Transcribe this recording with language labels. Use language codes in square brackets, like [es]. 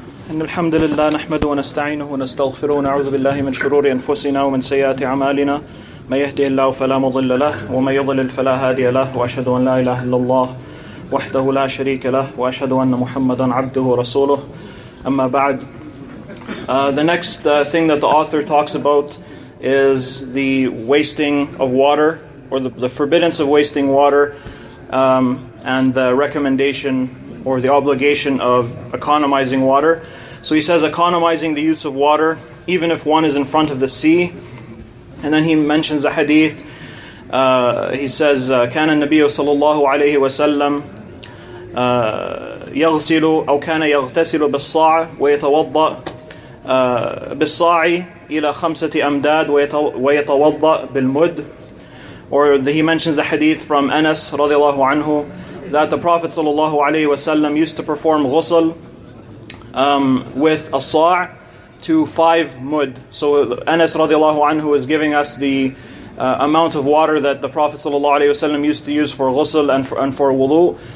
[ar] إن الحمد لله نحمده ونستعينه ونستغفره ونعوذ بالله من شرور أنفسنا ومن سيئات أعمالنا من يهده الله فلا مضل له ومن يضلل فلا هادي له وأشهد أن لا إله إلا الله وحده لا شريك له وأشهد أن محمدا عبده ورسوله أما بعد. [en] The next thing that the author talks about is the wasting of water, or the forbiddance of wasting water, and the recommendation or the obligation of economizing water. So he says, economizing the use of water, even if one is in front of the sea. And then he mentions a hadith. He says, [ar] كان النبي صلى الله عليه وسلم يغسل أو كان يغتسل بالصاع ويتوضأ بالصاع إلى خمسة أمداد ويتوضأ بالمد. [en] Or he mentions the hadith from Anas [ar] رضي الله عنه, [en] that the Prophet sallallahu alaihi wasallam used to perform ghusl with a sa' to 5 mud. So Anas radiallahu anhu is giving us the amount of water that the Prophet sallallahu alaihi wasallam used to use for ghusl and for wudu.